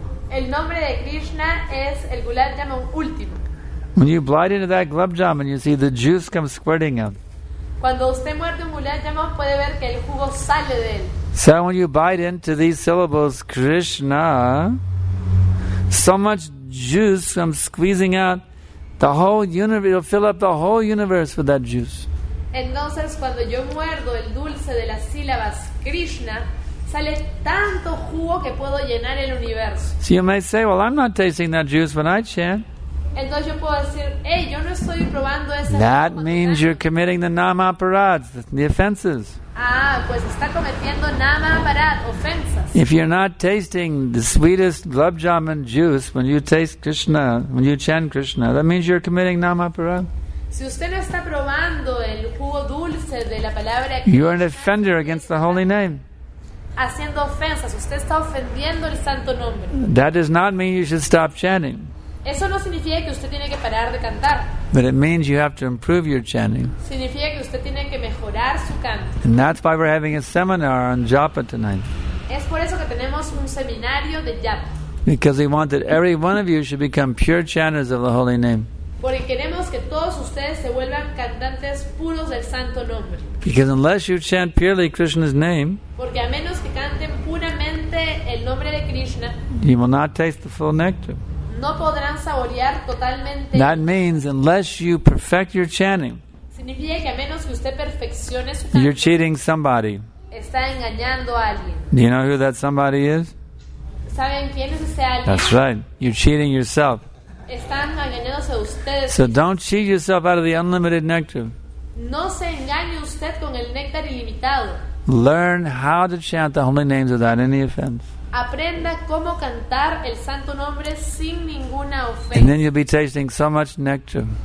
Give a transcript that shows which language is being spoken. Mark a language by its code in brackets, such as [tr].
[es] El nombre de Krishna es el gulab jamun último. [en] When you bite into that gulab jamun, you see the juice comes squirting out. [es] Cuando usted muerde un gulab jamun, puede ver que el jugo sale de él. [en] So when you bite into these syllables, Krishna, so much juice comes squeezing out, the whole universe, it'll fill up the whole universe with that juice. [es] Entonces, cuando yo muerdo el dulce de las sílabas Krishna, sale tanto jugo que puedo llenar el universo. [en] So you may say, well, I'm not tasting that juice when I chant. [es] Entonces yo puedo decir, hey, yo no estoy probando esa. [en] That means you're committing the nama aparads, the offenses. [es] Ah, pues está cometiendo nama aparad, ofensas. [en] If you're not tasting the sweetest gulab jamun juice when you taste Krishna, when you chant Krishna, that means you're committing nama aparad. [es] Si usted no está probando el jugo dulce de la palabra Krishna, [en] you're an offender against the holy name. [es] Haciendo ofensas, usted está ofendiendo el santo nombre. [en] That does not mean you should stop chanting. [es] Eso no significa que usted tiene que parar de cantar. [en] But it means you have to improve your chanting. [es] Significa que usted tiene que mejorar su canto. [en] And that's why we're having a seminar on japa tonight. [es] Es por eso que tenemos un seminario de japa. [en] Because we want that every one of you should become pure chanters of the holy name. [es] Porque queremos que todos ustedes se vuelvan cantantes puros del santo nombre. [en] Because unless you chant purely Krishna's name, [es] porque a menos que canten puramente el nombre de Krishna, [en] you will not taste the full nectar. [es] No podrán saborear totalmente. [en] That means unless you perfect your chanting, [es] significa que a menos que usted perfeccione su canto, [en] you're cheating somebody. [es] Está engañando a alguien. [en] Do you know who that somebody is? [es] ¿Saben quién es ese alguien? [en] That's right. You're cheating yourself. [es] Están engañándose ustedes. [en] So don't cheat yourself out of the unlimited nectar. [es] No se engañe usted con el néctar ilimitado. [en] Learn how to chant the holy names without any offense. [es] Aprenda cómo cantar el santo nombre sin ninguna ofensa. [en] And then you'll be tasting so much nectar.